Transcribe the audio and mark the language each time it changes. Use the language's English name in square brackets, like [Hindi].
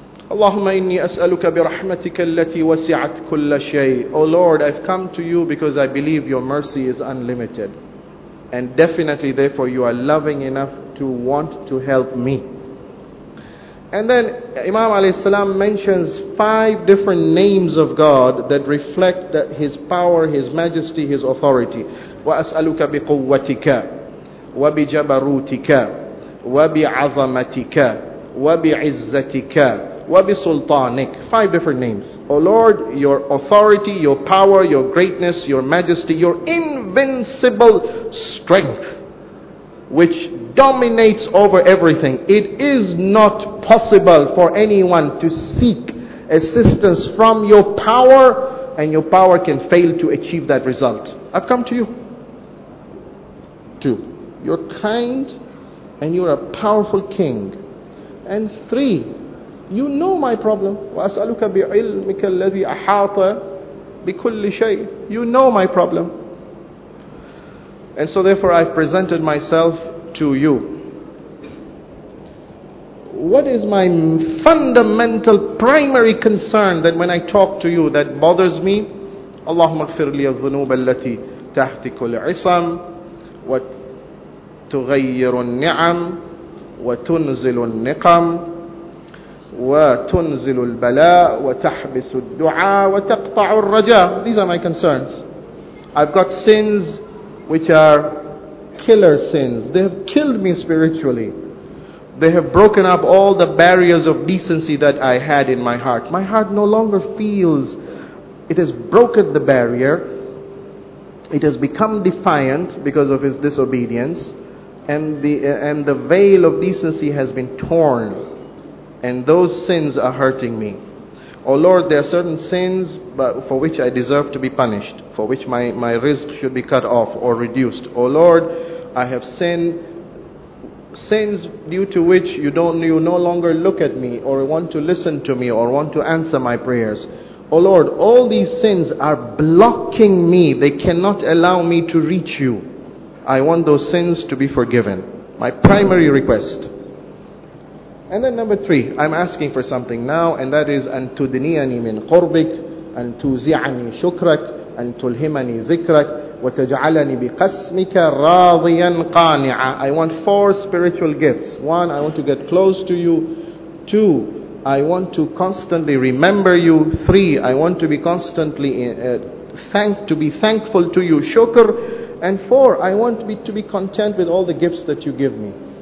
[Arabic] اللهم إني أسألك برحمتك التي وسعت كل شيء. [English] O Lord, I've come to you because I believe your mercy is unlimited. And definitely, therefore, you are loving enough to want to help me. And then Imam alayhi salam mentions five different names of God that reflect that His power, His majesty, His authority. [Arabic] وأسألك بقوتك وبجبروتك وبعظمتك وبعزتك وبسلطانك. [English] Five different names. O Lord, your authority, your power, your greatness, your majesty, your invincible strength, which dominates over everything. It is not possible for anyone to seek assistance from your power, and your power can fail to achieve that result. I've come to you. 2, you're kind and you're a powerful king. And 3, you know my problem. [Arabic] وَأَسْأَلُكَ بِعِلْمِكَ الَّذِي أَحَاطَ بِكُلِّ شَيْءٍ. [English] You know my problem. And so therefore I've presented myself to you. What is my fundamental primary concern that when I talk to you that bothers me? [Arabic] اللهم اغفر لي الذنوب التي تحت كل عصم وتغير النعم وتنزل النقم وتنزل البلاء وتحبس الدعاء وتقطع الرجاء. [English] These are my concerns. I've got sins which are killer sins. They have killed me spiritually. They have broken up all the barriers of decency that I had in my heart. My heart no longer feels. It has broken the barrier. It has become defiant because of its disobedience. And the veil of decency has been torn. And those sins are hurting me. Oh Lord, there are certain sins but for which I deserve to be punished. For which my risk should be cut off or reduced. Oh Lord, I have sinned. Sins due to which you no longer look at me or want to listen to me or want to answer my prayers. Oh Lord, all these sins are blocking me. They cannot allow me to reach you. I want those sins to be forgiven. My primary request. And then 3, I'm asking for something now, and that is [Arabic] أن تدنيني من قربك أن توزعني شكرك أن تلهمني ذكرك وتجعلني بقسمك راضيا قانعا. [English] I want 4 spiritual gifts. 1, I want to get close to you. 2, I want to constantly remember you. 3, I want to be constantly thankful to you, shukr. And 4, I want to be content with all the gifts that you give me.